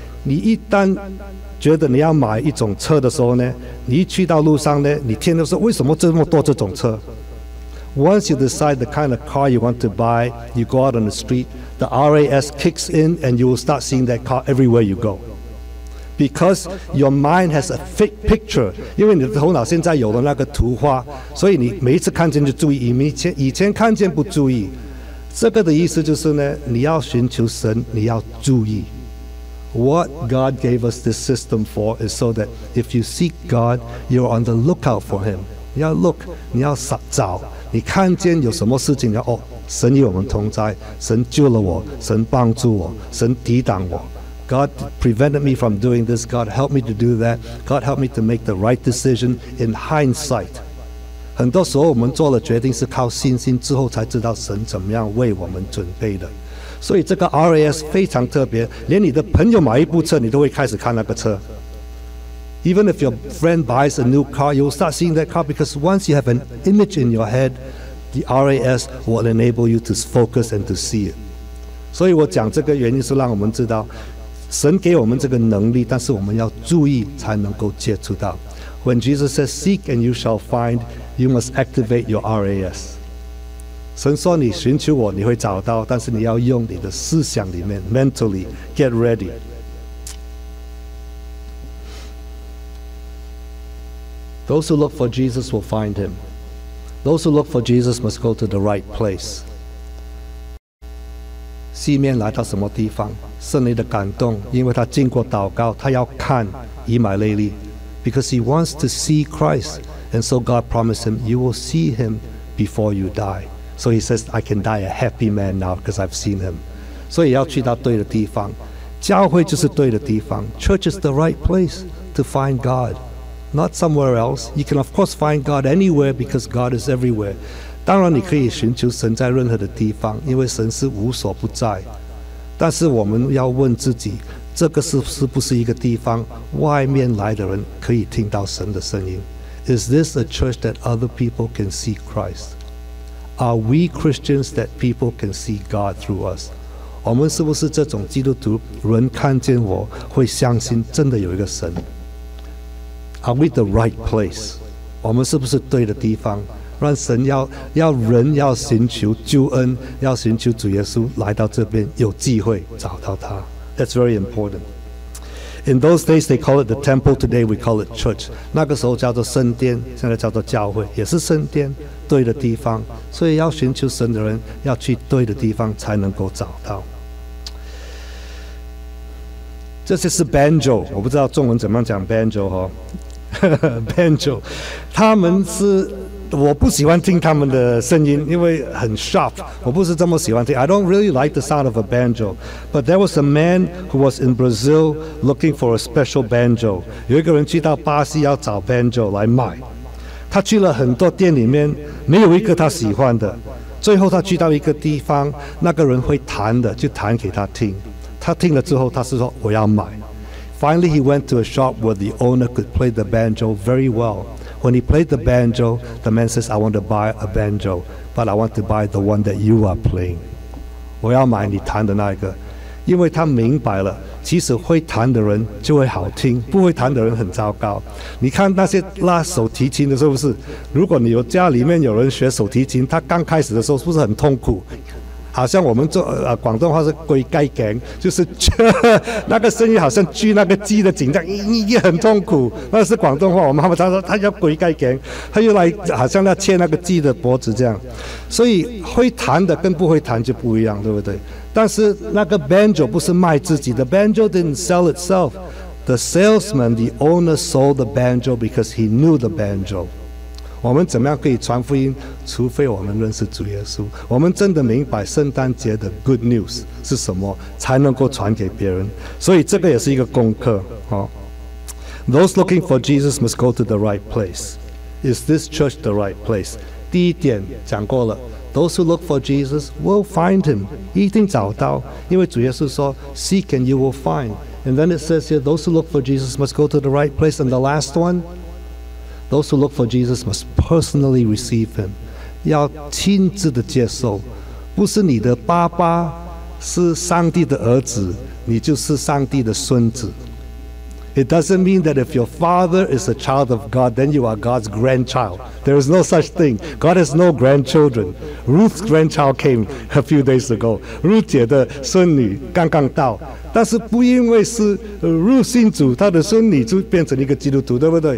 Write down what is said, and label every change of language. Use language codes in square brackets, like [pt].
[zh] 你一旦觉得你要买一种车的时候呢，你一去到路上呢，你天天说为什么这么多这种车 ？ [en] Once you decide the kind of car you want to buy, you go out on the street, the RAS kicks in, and you will start seeing that car everywhere you go. Because your mind has a fit picture， [zh] 因为你的头脑现在有了那个图画，所以你每一次看见就注意，以前看见不注意。这个的意思就是呢，你要寻求神，你要注意。 [en] What God gave us this system for is so that if you seek God, you're on the lookout for Him。 [zh] 你要 look， 你要找，你看见有什么事情，要哦，神与我们同在，神救了我，神帮助我，神抵挡我。 [en] God prevented me from doing this. God helped me to do that. God helped me to make the right decision in hindsight. [zh] 很多时候我们做了决定是靠信心，之后才知道神怎么样为我们准备的。所以这个 RAS 非常特别，连你的朋友买一部车，你都会开始看那个车。 [en] Even if your friend buys a new car, you'll start seeing that car because once you have an image in your head, the RAS will enable you to focus and to see it. [zh] 所以我讲这个原因是让我们知道神给我们这个能力，但是我们要注意才能够接触到。 [en] When Jesus says, "Seek and you shall find," you must activate your RAS. [zh] 神说你寻求我，你会找到，但是你要用你的思想里面 ， [en] mentally get ready. [zh] 都是 [en] look for Jesus will find him. Those who look for Jesus must go to the right place. [zh] 西面来到什么地方？圣灵的感动，因为他经过祷告，他要看以马内利 ， [en] because he wants to see Christ, and so God promised him, "You will see him before you die." So he says, "I can die a happy man now because I've seen him." [zh] 所以要去到对的地方，教会就是对的地方 ， [en] church is the right place to find God, not somewhere else. You can of course find God anywhere because God is everywhere. [zh] 当然你可以寻求神在任何的地方，因为神是无所不在。但是我们要问自己，这个是不是一个地方外面来的人可以听到神的声音？ [en] Is this a church that other people can see Christ? Are we Christians that people can see God through us? [zh] 我们是不是这种基督徒，人看见我会相信真的有一个神？ [en] Are we the right place? [zh] 我们是不是对的地方？让神要人要寻求救恩，要寻求主耶稣来到这边，有机会找到他。 [en] That's very important. In those days, they call it the temple. Today, we call it church. [zh] 那个时候叫做圣殿，现在叫做教会，也是圣殿，对的地方。所以要寻求神的人，要去对的地方才能够找到。这些是 banjo， 我不知道中文怎么样讲 banjo 哈、哦、，banjo， 他们是。我不喜欢听他们的声音，因为很 sharp， 我不是这么喜欢听。 [en] I don't really like the sound of a banjo. But there was a man who was in Brazil looking for a special banjo. [zh] 有一个人去到巴西要找 banjo 来买，他去了很多店里面，没有一个他喜欢的。最后他去到一个地方，那个人会弹的，就弹给他听。他听了之后，他是说我要买。 [en] Finally he went to a shop where the owner could play the banjo very wellWhen he played the banjo, the man says, "I want to buy a banjo, but I want to buy the one that you are playing." [zh] 我要买你弹的那一个，因为他明白了，其实会弹的人就会好听，不会弹的人很糟糕。你看那些拉手提琴的，是不是？如果你有家里面有人学手提琴，他刚开始的时候是不是很痛苦？好像我们做广东话是龟盖颈，就是那个声音好像锯那个鸡的颈这样，你也很痛苦。那是广东话，我们妈妈常说他叫龟盖颈，他又来好像要切那个鸡的脖子这样。所以会弹的跟不会弹就不一样，对不对？但是那个 banjo 不是卖自己的 ， [en] banjo didn't sell itself。 The salesman, the owner sold the banjo because he knew the banjo. [zh] 我们怎么样可以传福音？除非我们认识主耶稣，我们真的明白圣诞节的 good news 是什么，才能够传给别人。所以这个也是一个功课。 [en] Those looking for Jesus must go to the right place. Is this church the right place? [zh] 第一点讲过了。 [en] Those who look for Jesus will find him. [zh] 一定找到，因为主耶稣说 [en] seek and you will find. And then it says here, those who look for Jesus must go to the right place. And the last one, those who look for Jesus must personally receive him. [zh] 要亲自的接受，不是你的爸爸是上帝的儿子，你就是上帝的孙子。 [en] It doesn't mean that if your father is a child of God, then you are God's grandchild. There is no such thing. God has no grandchildren. Ruth's grandchild came a few days ago. [zh] Ruth 姐的孙女刚刚到，但是不因为是 Ruth 信主，她的孙女就变成一个基督徒，对不对？